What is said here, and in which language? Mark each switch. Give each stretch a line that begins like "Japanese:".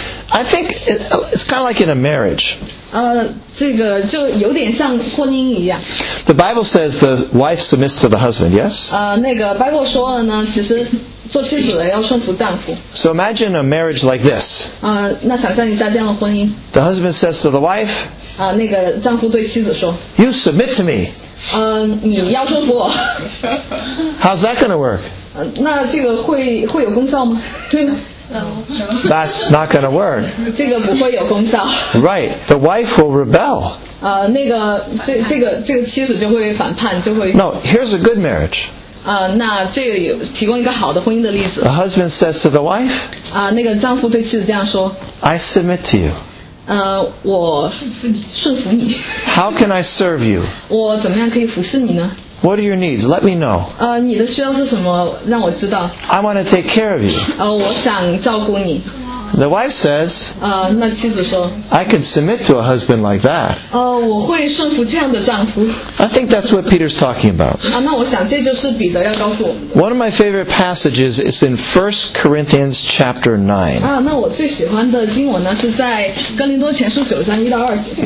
English: I think it's kind of like in a marriage.
Chinese: 这个就有点像婚姻一样。
English: The Bible says the wife submits to the husband, yes?
Chinese: 那个 Bible 说了呢，其实做妻子的要顺服丈夫。
English: So imagine a marriage like this.
Chinese: 那想象一下这样的婚姻。
English: The husband says to the wife,
Chinese: 那个丈夫对妻子说，
English: You submit to me.
Chinese: 你要顺服我。
English: How's that going to work?
Chinese: 那这个会有功效吗？
English: No. That's not going to work.
Chinese: 这个不会有功效。
English: Right, the wife will rebel.
Chinese: 那个这个妻子就会反叛，就会。
English: No, here's a good marriage.
Chinese: 那这个有提供一个好的婚姻的例子。
English: The husband says to the wife.
Chinese: 那个丈夫对妻子这样说。
English: I submit to you.
Chinese: 我顺服你。
English: How can I serve you?
Chinese: 我怎么样可以服侍你呢？
English: What are your needs? Let me know.
Chinese: 你的需要是什么？让我知道。
English: I want to take care of you.
Chinese: 我想照顾你。
English: The wife says.
Chinese: 那妻子说。
English: I can submit to a husband like that.
Chinese: 我会顺服这样的丈夫。
English: I think that's what Peter's talking about.
Chinese: 那我想这就是彼得要告诉我们的。
English: One of my favorite passages is in 1 Corinthians chapter 9.
Chinese: 那我最喜欢的经文呢是在哥林多前书九章一到二节。